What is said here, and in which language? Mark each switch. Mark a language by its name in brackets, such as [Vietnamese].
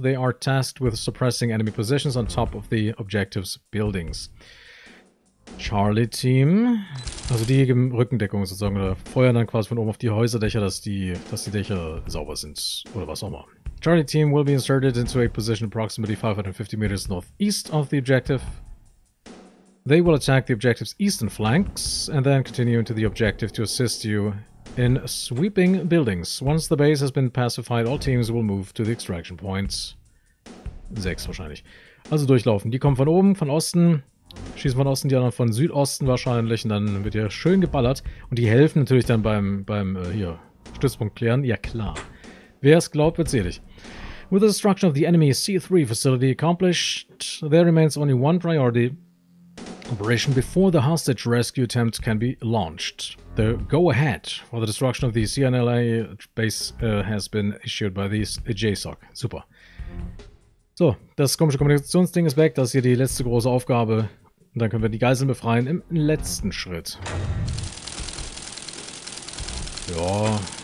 [English] They are tasked with suppressing enemy positions on top of the objective's buildings. [German] Charlie Team, also die geben Rückendeckung sozusagen oder feuern dann quasi von oben auf die Häuserdächer, dass die Dächer sauber sind oder was auch immer. [English] Charlie Team will be inserted into a position approximately 550 meters northeast of the objective. They will attack the objective's eastern flanks and then continue into the objective to assist you in sweeping buildings. Once the base has been pacified, all teams will move to the extraction points. [German] 6 wahrscheinlich. Also durchlaufen. Die kommen von oben, von Osten. Schießen von Osten, die anderen von Südosten wahrscheinlich. Und dann wird hier schön geballert. Und die helfen natürlich dann beim Stützpunkt klären. Ja klar. Wer es glaubt, wird selig. [English] With the destruction of the enemy C3 facility accomplished, there remains only one priority. Operation before the hostage rescue attempt can be launched. The go-ahead for the destruction of the CNLA base has been issued by the JSOC. [German] Super. So, das komische Kommunikationsding ist weg. Das ist hier die letzte große Aufgabe. Und dann können wir die Geiseln befreien im letzten Schritt. Ja.